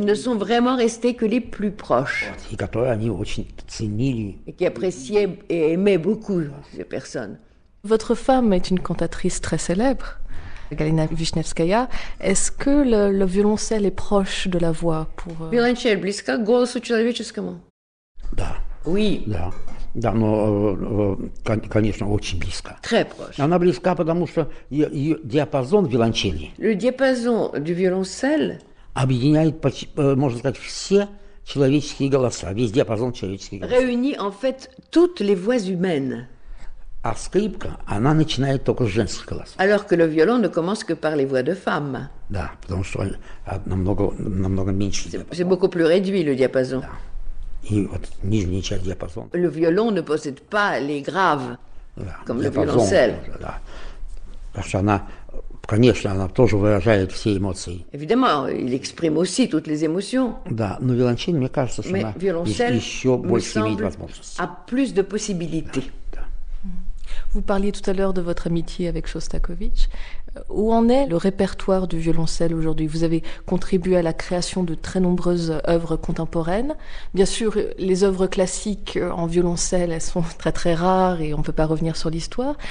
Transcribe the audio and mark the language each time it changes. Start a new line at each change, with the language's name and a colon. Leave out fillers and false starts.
French: Et ne sont vraiment restés que les plus proches.
Russian: И которые они очень ценили.
French: Et qui appréciaient et aimaient beaucoup ces personnes. Votre femme est une cantatrice très célèbre, Galina Vishnevskaya. Est-ce que le violoncelle est proche de la voix pour...
Russian: Violoncelle близка к голосу человеческому. Да.
French: Oui.
Russian: Да. Да, но, конечно, очень близко.
French: Très proche.
Russian: Она близка, потому что ее диапазон виолончели.
French: Le diapason du violoncelle
Russian: объединяет, можно сказать, все человеческие голоса, весь диапазон человеческих голосов.
French: Réunit en fait toutes les voix humaines.
Russian: А скрипка, она начинает только с женских голосов.
French: Alors que le violon ne commence que par les voix de femmes.
Russian: Да, потому что намного, намного меньше.
French: C'est beaucoup plus réduit le diapason.
Russian: Да. И вот нижняя часть диапазона.
French: Le violon ne possède pas les graves,
Russian: да,
French: comme le violoncelle.
Russian: Да. Потому что она, конечно, она тоже выражает все эмоции.
French: Évidemment, il exprime aussi toutes les émotions.
Russian: Да, но виолончель, мне кажется, что
French: Mais
Russian: она violoncelle еще больше имеет возможности.
French: A plus de possibilités.
Russian: Да, да.
French: Vous parliez tout à l'heure de votre amitié avec Shostakovich. Où en est le répertoire du violoncelle aujourd'hui? Vous avez contribué à la création de très nombreuses œuvres contemporaines. Bien sûr, les œuvres classiques en violoncelle, elles sont très très rares et on ne peut pas revenir sur l'histoire.